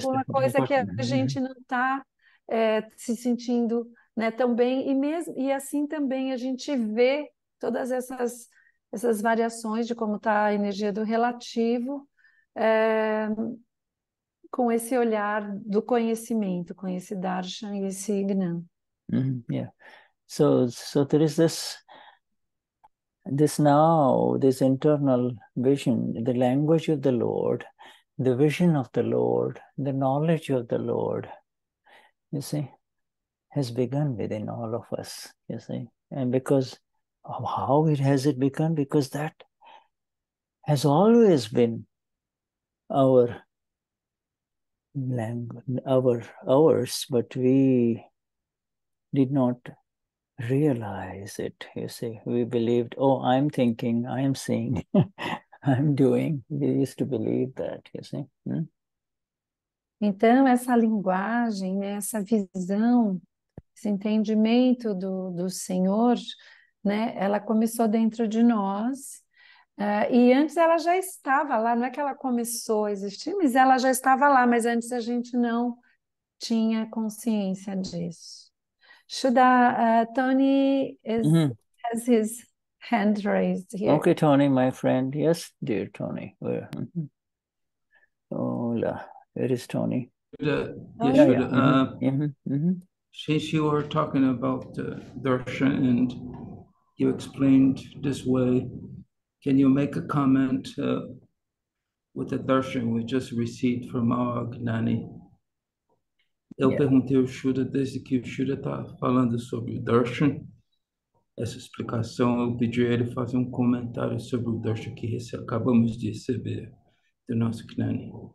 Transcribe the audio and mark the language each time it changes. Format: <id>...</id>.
<pt>De alguma coisa que a gente não está se sentindo, né, tão bem, e assim também a gente vê todas essas variações de como está a energia do relativo com esse olhar do conhecimento, com esse darshan e esse gnan. Mm-hmm.</pt> <en>Yeah, so there is this now, this internal vision, the language of the Lord, the vision of the Lord, the knowledge of the Lord, you see, has begun within all of us, you see. And because of how it has it begun, because that has always been our language, ours, but we did not realize it, you see. We believed, oh, I'm thinking, I am seeing, I'm doing. We used to believe that, you see.</en> <pt>Então, essa linguagem, né, essa visão, esse entendimento do Senhor, né, ela começou dentro de nós, e antes ela já estava lá, não é que ela começou a existir, mas ela já estava lá, mas antes a gente não tinha consciência disso.</pt> <en>Shuddha, Tony has his hand raised here. Okay, Tony, my friend. Yes, dear Tony. Where? Hola. Where is Tony? Since you are talking about darshan and you explained this way, can you make a comment with the darshan we just received from our Gnani?</en> <pt>Eu perguntei ao Shuddha, desde que o Shuddha está falando sobre o Darshan, essa explicação, eu pedi a ele fazer um comentário sobre o Darshan que acabamos de receber do nosso Gnani.</pt>